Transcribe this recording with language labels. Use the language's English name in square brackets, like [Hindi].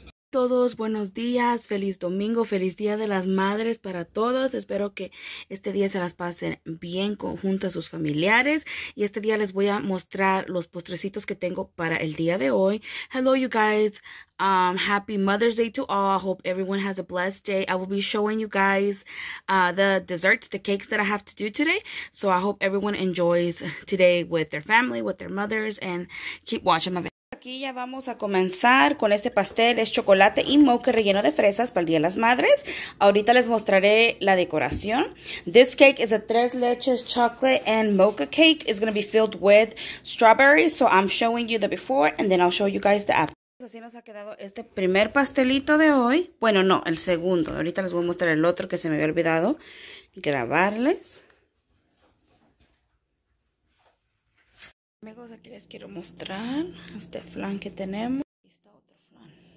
[Spanish] Todos, buenos días, feliz domingo, feliz día de las madres para todos. Espero que este día se las pasen bien junto a sus familiares. Y este día les voy a mostrar los postrecitos que tengo para el día de hoy. [English] Hello, you guys. Happy Mother's Day to all. I hope everyone has a blessed day. I will be showing you guys the desserts, the cakes that I have to do today. So I hope everyone enjoys today with their family, with their mothers, and keep watching my video. [Spanish] Aquí ya vamos a comenzar con este pastel, es chocolate y mocha relleno de fresas para el Día de las Madres. Ahorita les mostraré la decoración. [English] This cake is a tres leches chocolate and mocha cake. It's going to be filled with strawberries, so I'm showing you the before and then I'll show you guys the after. [Spanish] Así nos ha quedado este primer pastelito de hoy. Bueno, no, el segundo. Ahorita les voy a mostrar el otro que se me había olvidado grabarles. Amigos, aquí les quiero mostrar este flan que tenemos. Aquí está otro flan.